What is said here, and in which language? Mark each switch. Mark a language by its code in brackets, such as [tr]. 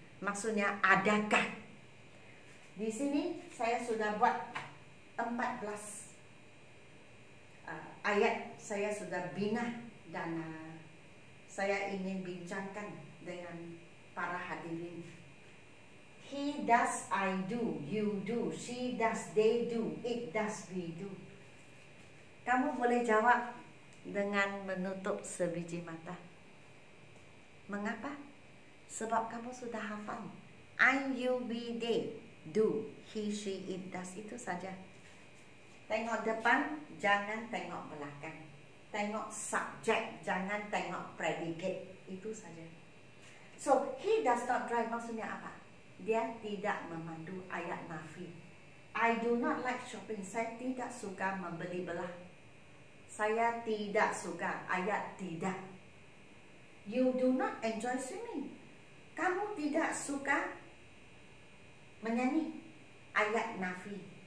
[ms] Maksudnya adakah? Di sini saya sudah buat 14 ayat, saya sudah bina dan saya ingin bincangkan dengan para hadirin. [en] He does, I do, you do, she does, they do, it does, we do. [ms] Kamu boleh jawab dengan menutup sebiji mata. Mengapa? Sebab kamu sudah hafal. [en] I, you, we, they do, he, she, it does. [ms] Itu saja. Tengok depan, jangan tengok belakang. Tengok subjek, jangan tengok predicate. Itu saja. [en] So, he does not drive, [ms] maksudnya apa? Dia tidak memandu, ayat nafi. [en] I do not like shopping. [ms] Saya tidak suka membeli belah. Saya tidak suka, ayat tidak. [en] You do not enjoy swimming. [ms] Kamu tidak suka menyanyi, ayat nafi.